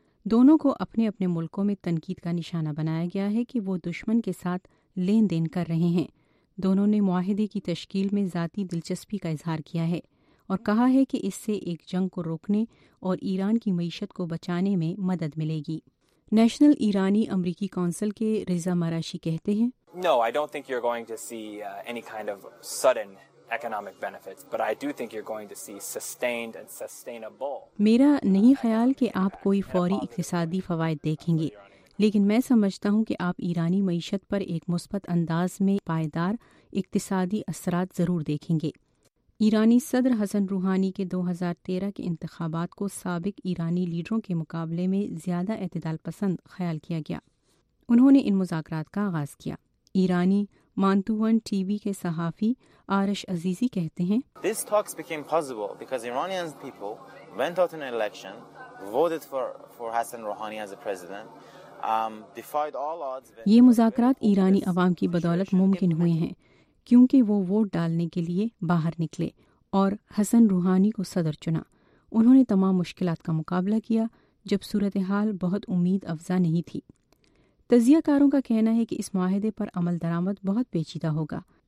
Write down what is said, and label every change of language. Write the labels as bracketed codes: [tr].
[ur] دونوں کو اپنے اپنے ملکوں میں تنقید کا نشانہ بنایا گیا ہے کہ وہ دشمن کے ساتھ لین دین کر رہے ہیں. دونوں نے معاہدے کی تشکیل میں ذاتی دلچسپی کا اظہار کیا ہے اور کہا ہے کہ اس سے ایک جنگ کو روکنے اور ایران کی معیشت کو بچانے میں مدد ملے گی. نیشنل ایرانی امریکی کونسل کے رضا مراشی کہتے ہیں, [en] No, I don't think you're going to see any kind of sudden economic benefits, but I do think you're going to see sustained and sustainable. [ur] میرا نہیں خیال کہ آپ کوئی فوری اقتصادی فوائد دیکھیں گے, لیکن میں سمجھتا ہوں کہ آپ ایرانی معیشت پر ایک مثبت انداز میں پائیدار اقتصادی اثرات ضرور دیکھیں گے. ایرانی صدر حسن روحانی کے 2013 کے انتخابات کو سابق ایرانی لیڈروں کے مقابلے میں زیادہ اعتدال پسند خیال کیا گیا. انہوں نے ان مذاکرات کا آغاز کیا. ایرانی مانتوان ٹی وی کے صحافی آرش عزیزی کہتے ہیں, [en] This talks became possible because Iranian people went out in an election, voted for Hassan Rouhani as a president. [ur] یہ مذاکرات ایرانی عوام کی بدولت ممکن ہوئے ہیں کیونکہ وہ ووٹ ڈالنے کے لیے باہر نکلے اور حسن روحانی کو صدر چنا. انہوں نے تمام مشکلات کا مقابلہ کیا جب صورتحال بہت امید افزا نہیں تھی. تجزیہ کاروں کا کہنا ہے کہ اس معاہدے پر عمل درآمد بہت پیچیدہ ہوگا.